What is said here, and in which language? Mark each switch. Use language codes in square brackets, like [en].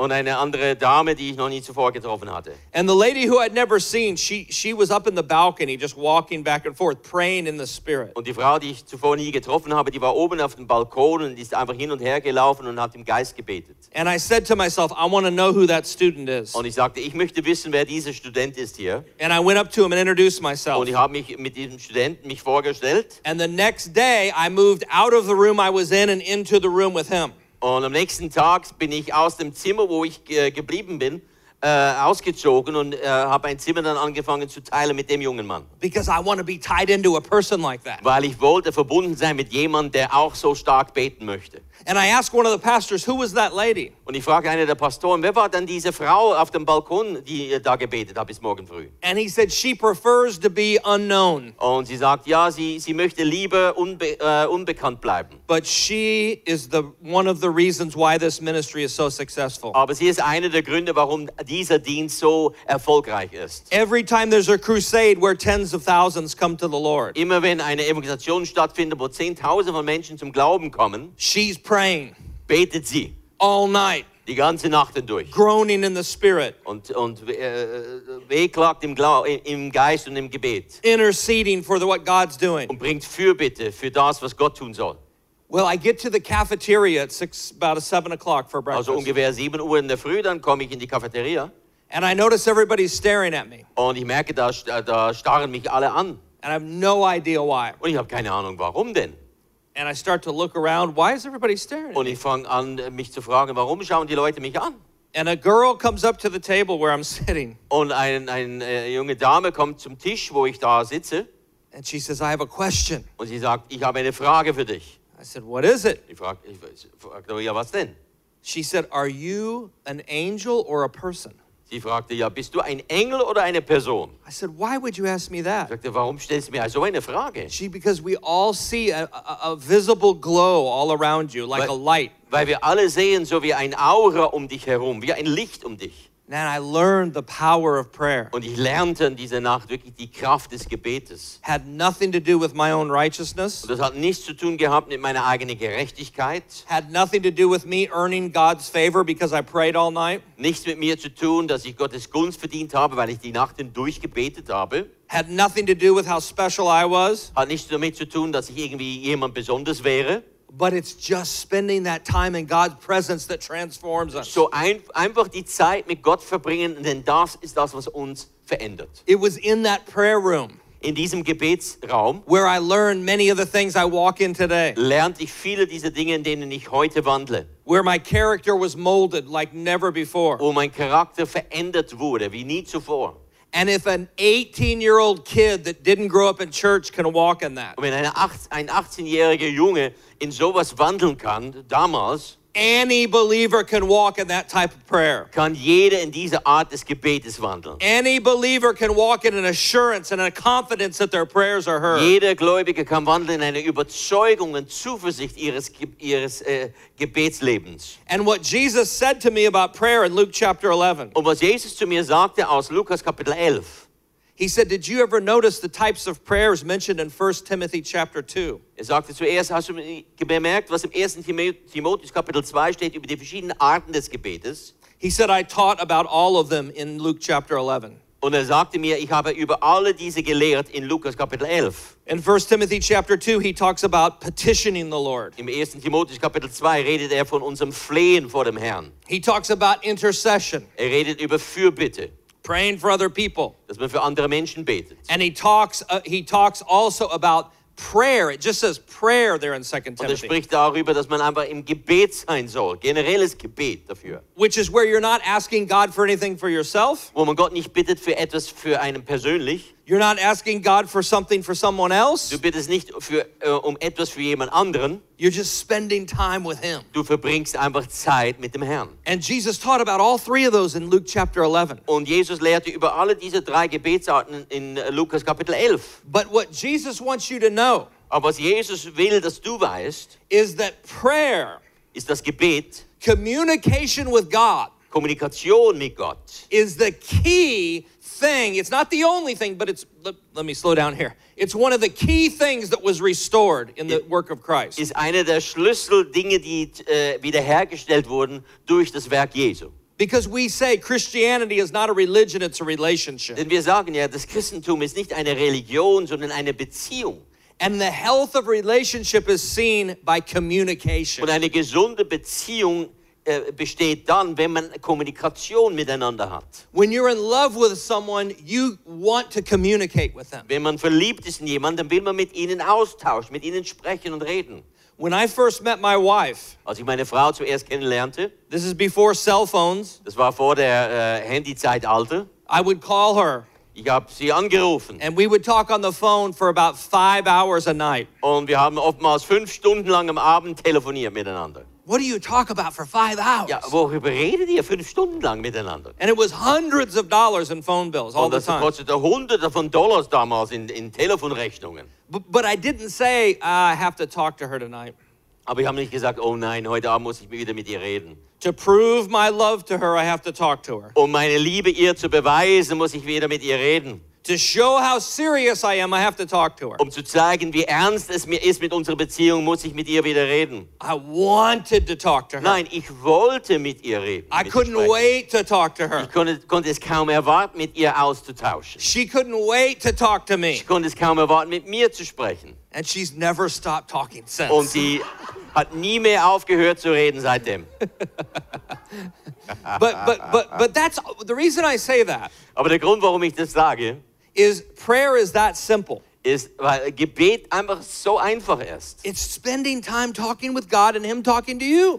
[de] Und eine andere Dame, die ich noch nie zuvor getroffen hatte. [en] And the lady who I'd never seen, she was up in the balcony, just walking back and forth, praying in the spirit. [de] Und die Frau, die ich zuvor nie getroffen habe, die war oben auf dem Balkon und ist einfach hin und her gelaufen und hat im Geist gebetet. [en] And I said to myself, I want to know who that student is. [de] Und ich sagte, ich möchte wissen, wer dieser Student ist hier. [en] And I went up to him and introduced myself. [de] Und ich habe mich mit diesem Studenten mich vorgestellt. [en] And the next day, I moved out of the room I was in and into the room with him. [de] Und am nächsten Tag bin ich aus dem Zimmer, wo ich geblieben bin, ausgezogen und habe ein Zimmer dann angefangen zu teilen mit dem jungen Mann. [en] Because I want to be tied into a person like that. [de] Weil ich wollte verbunden sein mit jemand, der auch so stark beten möchte. [en] And I ask one of the pastors, who was that lady? [de] Und ich frage einen der Pastoren, wer war denn diese Frau auf dem Balkon, die da gebetet hat bis morgen früh? [en] And he said, she prefers to be unknown. [de] Und sie sagt, ja, sie möchte lieber unbekannt bleiben. [en] But she is one of the reasons why this ministry is so successful. [de] Aber sie ist eine der Gründe, warum die dieser Dienst so erfolgreich ist. [en] Every time there's a crusade where tens of thousands come to the Lord. [de] Immer wenn eine Evangelisation stattfindet, wo Zehntausende von Menschen zum Glauben kommen. [en] She's praying. [de] Betet sie. [en] All night. [de] Die ganze Nacht hindurch. [en] Groaning in the spirit. [de] Und wehklagt im Geist und im Gebet. [en] Interceding for what God's doing. [de] Und bringt Fürbitte für das, was Gott tun soll. [en] Well, I get to the cafeteria at about 7 o'clock for breakfast. [de] Also ungefähr 7 Uhr in der Früh, dann komme ich in die Cafeteria. [en] And I notice everybody's staring at me. [de] Und ich merke, da starren mich alle an. [en] And I have no idea why. [de] Und ich habe keine Ahnung, warum denn. [en] And I start to look around. Why is everybody staring at me? [de] Und ich fange an, mich zu fragen, warum schauen die Leute mich an? [en] And a girl comes up to the table where I'm sitting. [de] Und eine junge Dame kommt zum Tisch, wo ich da sitze. [en] And she says, I have a question. [de] Und sie sagt, ich habe eine Frage für dich. [en] I said, what is it? [de] Ich fragte, ja, was denn? [en] She said, are you an angel or a person? [de] Sie fragte, ja, bist du ein Engel oder eine Person? [en] I said, why would you ask me that? [de] Sagte, warum stellst du mir also eine Frage? [en] She, because we all see a visible glow all around you, like a light. [de] Weil wir alle sehen so wie ein Aura um dich herum, wie ein Licht um dich. [en] And I learned the power of prayer. [de] Und ich lernte in dieser Nacht wirklich die Kraft des Gebetes. [en] Had nothing to do with my own righteousness. [de] Und das hat nichts zu tun gehabt mit meiner eigenen Gerechtigkeit. [en] Had nothing to do with me earning God's favor because I prayed all night. [de] Nichts mit mir zu tun, dass ich Gottes Gunst verdient habe, weil ich die Nacht hindurch gebetet habe. [en] Had nothing to do with how special I was. [de] Hat nichts damit zu tun, dass ich irgendwie jemand besonders wäre. [en] But it's just spending that time in God's presence that transforms us. [de] So einfach die Zeit mit Gott verbringen, denn das ist das, was uns verändert. [en] It was in that prayer room. [de] In diesem Gebetsraum. [en] Where I learned many of the things I walk in today. [de] Lernte ich viele dieser Dinge, in denen ich heute wandle. [en] Where my character was molded like never before. [de] Wo mein Charakter verändert wurde, wie nie zuvor. [en] And if an 18-year-old kid that didn't grow up in church can walk in that. [de] Wenn ein 18-jähriger Junge in sowas wandeln kann, damals. [en] Any believer can walk in that type of prayer. [de] Kann jeder in diese Art des Gebetes wandeln. [en] Any believer can walk in an assurance and a confidence that their prayers are heard. [de] Jeder Gläubige kann wandeln in eine Überzeugung und Zuversicht ihres Gebetslebens. [en] And what Jesus said to me about prayer in Luke chapter 11. [de] Und was Jesus zu mir sagte aus Lukas Kapitel 11. [en] He said, did you ever notice the types of prayers mentioned in 1 Timothy chapter 2? [de] Er sagte zuerst, hast du bemerkt, was im 1. Timotheus Kapitel 2 steht über die verschiedenen Arten des Gebetes? [en] He said, I taught about all of them in Luke chapter 11. [de] Und er sagte mir, ich habe über alle diese gelehrt in Lukas Kapitel 11. [en] In 1 Timothy chapter 2, he talks about petitioning the Lord. [de] Im 1. Timotheus Kapitel 2 redet er von unserem Flehen vor dem Herrn. [en] He talks about intercession. [de] Er redet über Fürbitte. [en] Praying for other people. [de] Dass man für andere Menschen betet. [en] And he talks also about prayer. It just says prayer there in 2 Timothy. [de] Und spricht darüber, dass man einfach im Gebet sein soll. Generelles Gebet dafür. [en] Which is where you're not asking God for anything for yourself. [de] Wo man Gott nicht bittet für etwas für einen persönlich. [en] You're not asking God for something for someone else. [de] Du bittest nicht um etwas für jemand anderen. [en] You're just spending time with him. [de] Du verbringst einfach Zeit mit dem Herrn. [en] And Jesus taught about all three of those in Luke chapter 11. [de] Und Jesus lehrte über alle diese drei Gebetsarten in Lukas Kapitel 11. [en] But what Jesus wants you to know, [de] aber was Jesus will, dass du weißt, [en] is that prayer, [de] ist das Gebet, [en] communication with God, [de] Kommunikation mit Gott, [en] is the key thing. It's not the only thing, but it's, let me slow down here. It's one of the key things that was restored in the work of Christ. [de] Ist eine der Schlüsseldinge, die wiederhergestellt wurden durch das Werk Jesu. [en] Because we say Christianity is not a religion, it's a relationship. [de] Denn wir sagen ja, das Christentum ist nicht eine Religion, sondern eine Beziehung. [en] And the health of relationship is seen by communication. [de] Und eine gesunde Beziehung besteht dann, wenn man Kommunikation miteinander hat. [en] When you're in love with someone, you want to communicate with them. [de] Wenn man verliebt ist in jemanden, dann will man mit ihnen austauschen, mit ihnen sprechen und reden. [en] When I first met my wife, [de] als ich meine Frau zuerst kennenlernte, [en] this is before cell phones, [de] das war vor der Handyzeitalter, [en] I would call her. [de] Ich habe sie angerufen. [en] And we would talk on the phone for about 5 hours a night. [de] Und wir haben oftmals 5 Stunden lang am Abend telefoniert miteinander. [en] What do you talk about for 5 hours? [de] Ja, worüber redet ihr 5 Stunden lang miteinander? [en] And it was hundreds of dollars in phone bills all the time. [de] Und das kostete hunderte von Dollars damals in Telefonrechnungen. [en] But I didn't say, I have to talk to her tonight. [de] Aber ich habe nicht gesagt, oh nein, heute Abend muss ich wieder mit ihr reden. [en] To prove my love to her, I have to talk to her. [de] Um meine Liebe ihr zu beweisen, muss ich wieder mit ihr reden. [en] To show how serious I am, I have to talk to her. [de] Um zu zeigen, wie ernst es mir ist mit unserer Beziehung, muss ich mit ihr wieder reden. [en] I wanted to talk to her. [de] Nein, ich wollte mit ihr reden. [en] I couldn't wait to talk to her. [de] Ich konnte es kaum erwarten, mit ihr auszutauschen. [en] She couldn't wait to talk to me. [de] Sie konnte es kaum erwarten, mit mir zu sprechen. [en] And she's never stopped talking since. [de] Und sie hat nie mehr aufgehört zu reden seitdem. [en] But that's the reason I say that. [de] Aber der Grund, warum ich das sage, [en] is prayer is that simple. [de] Ist, weil Gebet einfach so einfach ist. [en] It's spending time talking with God and Him talking to you.